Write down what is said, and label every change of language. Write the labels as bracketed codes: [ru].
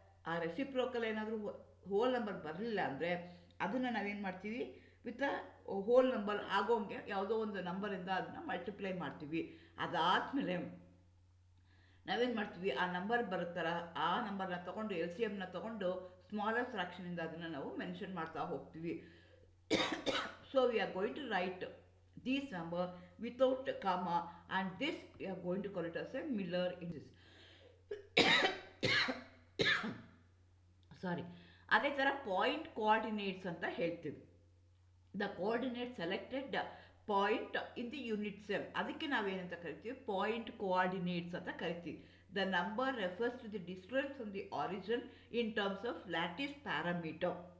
[kn] ಆ ರೆಸಿಪ್ರೋಕಲ್ ಏನಾದರೂ whole number ಬರಲಿಲ್ಲ ಅಂದರೆ ಅದನ್ನು ನಾವೇನು ಮಾಡ್ತೀವಿ, ವಿತ್ ಹೋಲ್ ನಂಬರ್ ಆಗೋಂಗೆ ಯಾವುದೋ ಒಂದು ನಂಬರಿಂದ ಅದನ್ನು ಮಲ್ಟಿಪ್ಲೈ ಮಾಡ್ತೀವಿ. ಅದಾದಮೇಲೆ ನಾವೇನು ಮಾಡ್ತೀವಿ, ಆ ನಂಬರ್ ಬರುತ್ತಲ್ಲ ಆ ನಂಬರ್ನ ತೊಗೊಂಡು, ಎಲ್ ಸಿ ಎಮ್ನ ತೊಗೊಂಡು ಸ್ಮಾಲರ್ ಫ್ರ್ಯಾಕ್ಷನಿಂದ ಅದನ್ನು ನಾವು ಮೆನ್ಷನ್ ಮಾಡ್ತಾ ಹೋಗ್ತೀವಿ. [en] So we are going to write this number without a comma, and this we are going to call it as a Miller indices. Sorry. [kn] ಅದೇ ಥರ ಪಾಯಿಂಟ್ ಕೋಆರ್ಡಿನೇಟ್ಸ್ ಅಂತ ಹೇಳ್ತೀವಿ. [en] the coordinate selected point in the unit cell, [kn] ಅದಕ್ಕೆ ನಾವೇನಂತ ಕರಿತೀವಿ, point coordinates ಅಂತ ಕರಿತೀವಿ. [en] The number refers to the distance from the origin in terms of lattice parameter.